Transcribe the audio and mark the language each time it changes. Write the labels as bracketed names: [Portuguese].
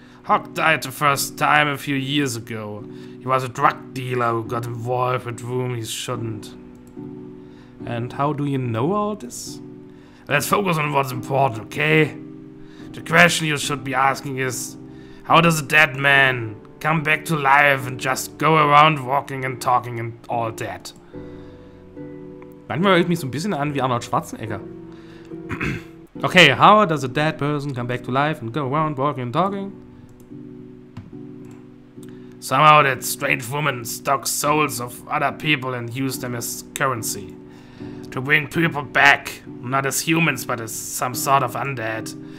[English] Hawk died the first time a few years ago. He was a drug dealer who got involved with whom he shouldn't. And how do you know all this? Let's focus on what's important, okay? The question you should be asking is, how does a dead man come back to life and just go around walking and talking and all that? [German] Manchmal hört mich so ein bisschen an wie Arnold Schwarzenegger. [English] Okay, how does a dead person come back to life and go around walking and talking? Somehow that strange woman stalks souls of other people and used them as currency. To bring people back, not as humans but as some sort of undead.